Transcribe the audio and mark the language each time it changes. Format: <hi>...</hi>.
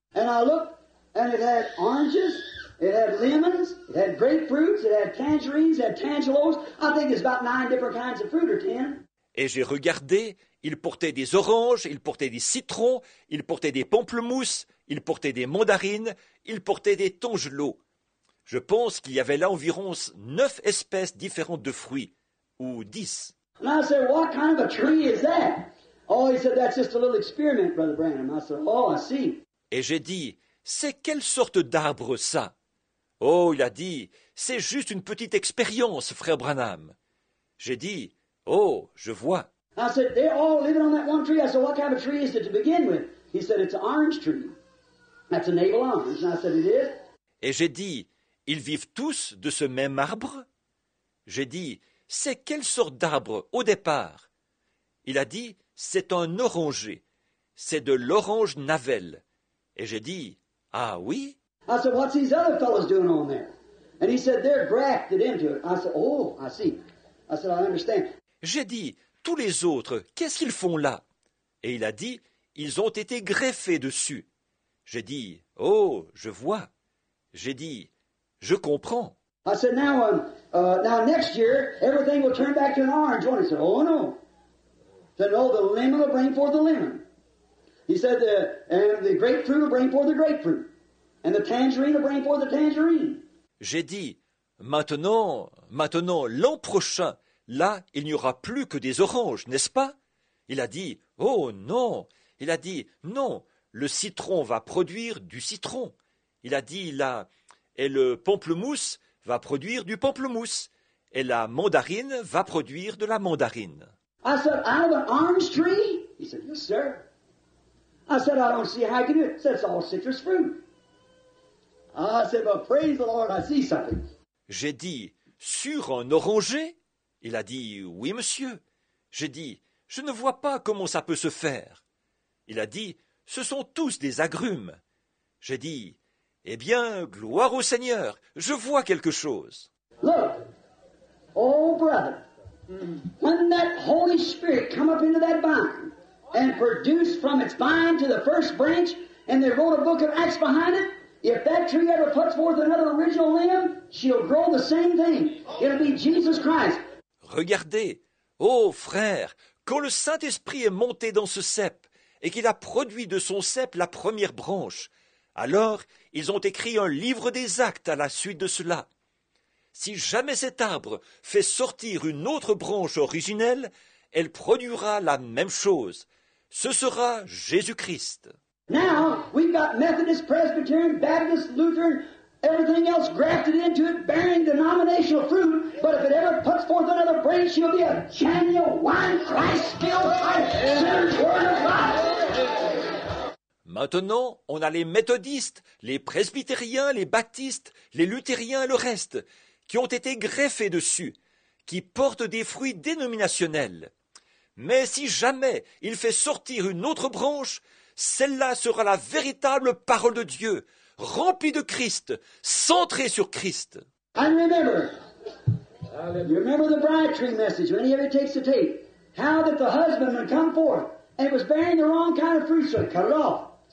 <en>And I looked, and it had oranges. It had lemons, it had grapefruits, it had tangerines, it had tangelos. I think it's about 9 different kinds of fruit or 10.</en> <fr>Et j'ai regardé, il portait des oranges, il portait des citrons, il portait des pamplemousses, il portait des mandarines, il portait des tangelos. Je pense qu'il y avait là environ 9 espèces différentes de fruits, ou 10.</fr> <en>And I said, what kind of a tree is that? Oh, he said, that's just a little experiment, Brother Branham. I said, oh, I see.</en> <fr>Et j'ai dit, c'est quelle sorte d'arbre ça? Oh, il a dit, c'est juste une petite expérience, frère Branham. J'ai dit, oh, je vois.</fr> <en>I said, they're all living on that one tree. I said, what kind of tree is it to begin with? He said, it's an orange tree. That's a navel orange. And I said, it is.</en> <fr>Et j'ai dit, ils vivent tous de ce même arbre? J'ai dit, c'est quelle sorte d'arbre au départ? Il a dit, c'est un oranger. C'est de l'orange navel. Et j'ai dit, ah oui?</fr> <en>I said, what's these other fellows doing on there? And he said, they're grafted into it. I said, oh, I see. I said, I understand.</en> <fr>J'ai dit, tous les autres, qu'est-ce qu'ils font là? Et il a dit, ils ont été greffés dessus. J'ai dit, oh, je vois. J'ai dit, je comprends.</fr> <en>I said, now next year, everything will turn back to an orange one. He said, oh, no. He said, no, the lemon will bring forth the lemon. He said, the grapefruit will bring forth the grapefruit. And the tangerine will bring forth the tangerine.</en> <fr>J'ai dit, maintenant, l'an prochain, là, il n'y aura plus que des oranges, n'est-ce pas? Il a dit, oh non. Il a dit, non, le citron va produire du citron. Il a dit, là, et le pamplemousse va produire du pamplemousse. Et la mandarine va produire de la mandarine.</fr> <en>I said, out of an orange tree? He said, yes, sir. I said, I don't see how you can do it. I said, it's all citrus fruit. I said, but praise the Lord, I see something.</en> <fr>J'ai dit, sur un oranger? Il a dit, oui, monsieur. J'ai dit, je ne vois pas comment ça peut se faire. Il a dit, ce sont tous des agrumes. J'ai dit, eh bien, gloire au Seigneur, je vois quelque chose.</fr> <en>Look, oh brother, when that Holy Spirit come up into that vine and produced from its vine to the first branch and they wrote a book of Acts behind it, if that tree ever puts forth another original limb, she'll grow the same thing. It'll be Jesus Christ.</en> <fr>Regardez, oh frère, quand le Saint-Esprit est monté dans ce cep et qu'il a produit de son cep la première branche, alors ils ont écrit un livre des actes à la suite de cela. Si jamais cet arbre fait sortir une autre branche originelle, elle produira la même chose. Ce sera Jésus-Christ.</fr> <en>Now, we've got Methodist, Presbyterian, Baptist, Lutheran, everything else grafted into it, bearing denominational fruit, but if it ever puts forth another branch, she'll be a genuine Christ-filled type, sinner's word of life.</en> <fr>Maintenant, on a les méthodistes, les presbytériens, les baptistes, les luthériens et le reste, qui ont été greffés dessus, qui portent des fruits dénominationnels. Mais si jamais il fait sortir une autre branche, celle-là sera la véritable parole de Dieu, remplie de Christ, centrée sur Christ.</fr> <en>And remember, you remember the bride tree message, when he ever takes the tape, how that the husband would come forth, and was bearing the wrong kind of fruit, so cut it off.</en>